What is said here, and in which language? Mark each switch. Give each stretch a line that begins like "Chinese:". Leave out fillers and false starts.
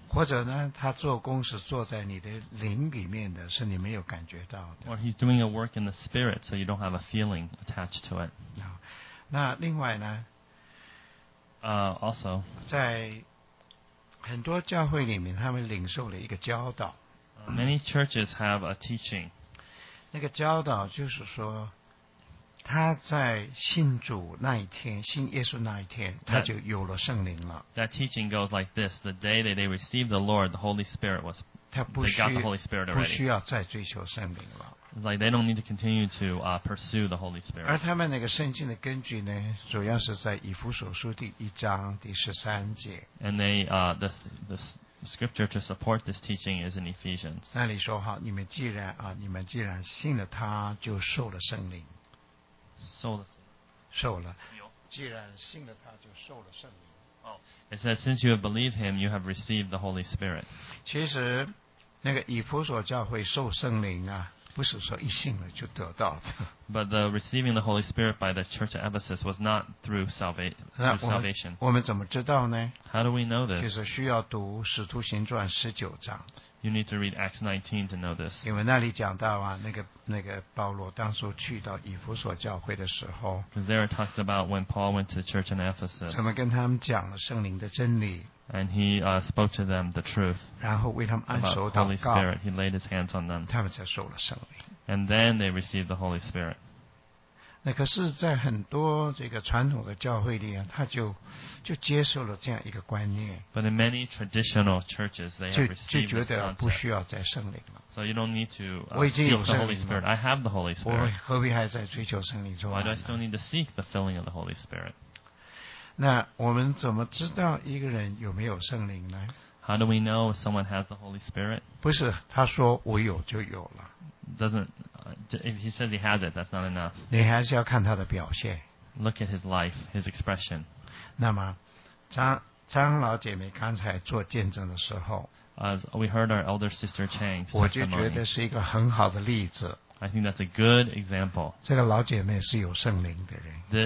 Chinese: 或者呢，他做工是坐在你的灵里面的，是你没有感觉到的。
English: Or he's doing a work in the spirit, so you don't have a feeling attached to it.
Chinese: 那另外呢？
English: Also,
Chinese: 在很多教会里面，他们领受了一个教导。
English: Many churches have a teaching.
Chinese: 那个教导就是说。他在信主那一天，信耶稣那一天，他就有了圣灵了。
English: That teaching goes like this: the day that they received the Lord, the Holy Spirit was they got the Holy Spirit already.
Chinese: 不需要再追求圣灵了。
English: Like they don't need to continue to pursue the Holy Spirit.
Chinese: 而他们那个圣经的根据呢，主要是在以弗所书第一章第十三节。
English: And they the scripture to support this teaching is in Ephesians.
Chinese: 那里说哈，你们既然啊，你们既然信了他，就受了圣灵。受了。既然信了他，就受了圣灵。
English: Oh, it says, since you have believed him, you have received the Holy Spirit.
Chinese: 其实，那个以弗所教会受圣灵啊，不是说一信了就得到的。
English: But the receiving the Holy Spirit by the church of Ephesus was not through salvation.
Chinese: 我们怎么知道呢
English: ？How do we know this?
Chinese: 就是需要读《使徒行传》十九章。
English: You need to read Acts 19 to know this.
Chinese: 因为那里讲到啊，那个保罗当初去到以弗所教会的时候
English: ，Because there it talks about when Paul went to the church in Ephesus.
Chinese: 怎么跟他们讲了圣灵的真理
English: ？And he spoke to them the truth.
Chinese: 然后为他们按手祷告
English: ，About Holy Spirit, he laid his hands on them.
Chinese: 他们才受了圣灵。
English: And then they received the Holy Spirit.
Chinese: 那可是，在很多这个传统的教会里啊，他就。就接受了这样一个观念
English: But in many traditional churches, they have received this concept.
Chinese: 就觉得不需要再圣灵了
English: So you don't need to seek the Holy Spirit. I have the Holy Spirit.
Chinese: 我何必还在追求圣灵之外呢
English: Why do I still need to seek the filling of the Holy Spirit?
Chinese: 那我们怎么知道一个人有没有圣灵呢？
English: How do we know if someone has the Holy Spirit?
Chinese: 不是，他说我有就有了。
English: If he says he has it, that's not enough.
Chinese: 你还是要看他的表现。
English: Look at his life, his expression.
Chinese: 那么张老姐妹刚才做见证的时候，
English: As we heard our elder sister Chang's
Chinese: testimony, 我就觉得是一个很好的例子。
English: I think that's a good example.
Chinese: 这个老姐妹是有圣灵的人。